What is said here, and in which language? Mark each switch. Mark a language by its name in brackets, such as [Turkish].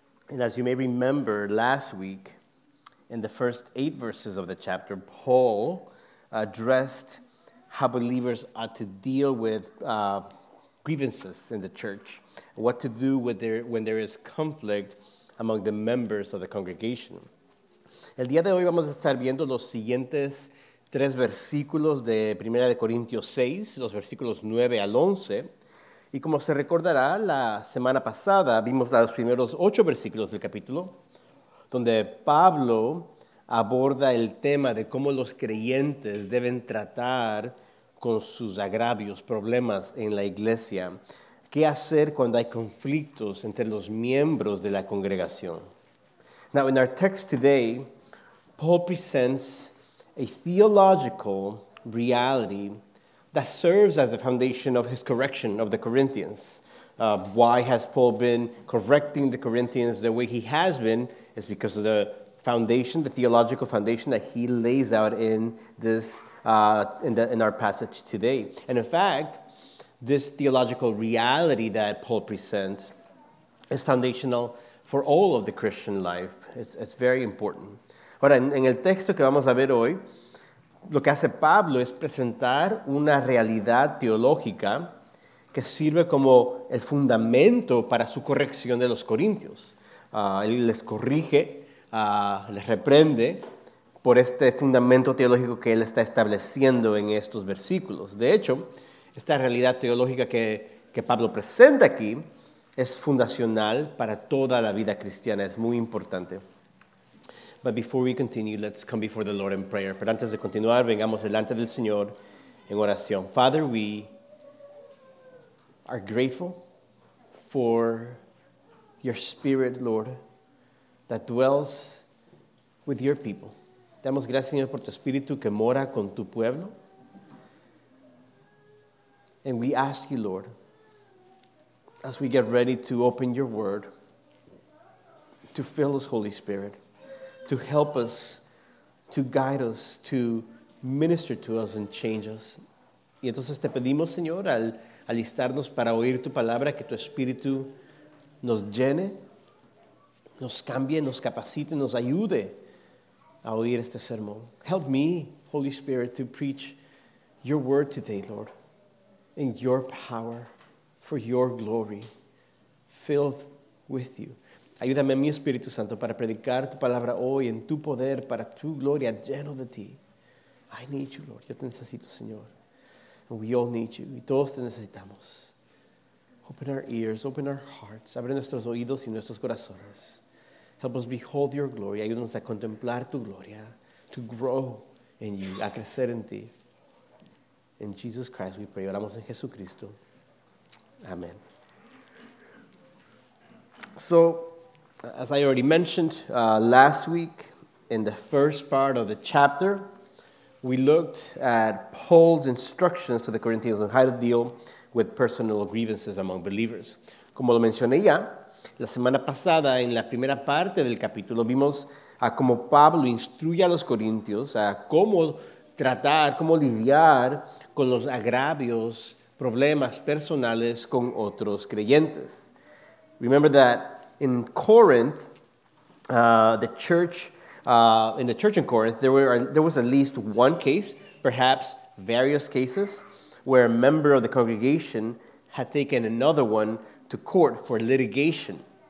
[English] And as you may remember, last week, in the first 8 verses of the chapter, Paul addressed how believers ought to deal with grievances in the church, what to do with when there is conflict among the members of the congregation. [Spanish] El día de hoy vamos a estar viendo los siguientes tres versículos de 1 Corintios 6, los versículos 9 al 11. Y como se recordará, la semana pasada vimos los primeros 8 versículos del capítulo, donde Pablo aborda el tema de cómo los creyentes deben tratar con sus agravios, problemas en la iglesia. ¿Qué hacer cuando hay conflictos entre los miembros de la congregación? [English] Now, in our text today, Paul presents a theological reality that serves as the foundation of his correction of the Corinthians. Why has Paul been correcting the Corinthians the way he has been? It's because of the foundation, the theological foundation that he lays out in this in our passage today. And in fact, this theological reality that Paul presents is foundational for all of the Christian life. It's very important. [Spanish] Ahora, en el texto que vamos a ver hoy, lo que hace Pablo es presentar una realidad teológica que sirve como el fundamento para su corrección de los corintios. Él les corrige, les reprende por este fundamento teológico que él está estableciendo en estos versículos. De hecho, esta realidad teológica que Pablo presenta aquí es fundacional para toda la vida cristiana. Es muy importante. [English] But before we continue, let's come before the Lord in prayer. [Spanish] Pero antes de continuar, vengamos delante del Señor en oración. [English] Father, we are grateful for your Spirit, Lord, that dwells with your people. [Spanish] Damos gracias, Señor, por tu Espíritu que mora con tu pueblo. [English] And we ask you, Lord, as we get ready to open your word, to fill us, Holy Spirit, to help us, to guide us, to minister to us and change us. [Spanish] Y entonces te pedimos, Señor, al alistarnos para oír tu palabra, que tu Espíritu nos llene, nos cambie, nos capacite, nos ayude a oír este sermón. [English] Help me, Holy Spirit, to preach your word today, Lord. In your power, for your glory, filled with you. [Spanish] Ayúdame, mi Espíritu Santo, para predicar tu palabra hoy en tu poder, para tu gloria, lleno de ti. [English] I need you, Lord. [Spanish] Yo te necesito, Señor. [English] And we all need you. [Spanish] Y todos te necesitamos. [English] Open our ears, open our hearts. [Spanish] Abre nuestros oídos y nuestros corazones. [English] Help us behold your glory. [Spanish] Ayúdanos a contemplar tu gloria, [English] to grow in you, [Spanish] a crecer en ti. [English] In Jesus Christ we pray. [Spanish] Oramos en Jesucristo. [English] Amen. So, as I already mentioned last week, in the first part of the chapter, we looked at Paul's instructions to the Corinthians on how to deal with personal grievances among believers. [Spanish] Como lo mencioné ya, la semana pasada, en la primera parte del capítulo, vimos a cómo Pablo instruye a los corintios a cómo tratar, cómo lidiar con los agravios, problemas personales con otros creyentes. [English] Remember that in Corinth, the church in Corinth, there was at least one case, perhaps various cases, where a member of the congregation had taken another one to court for litigation.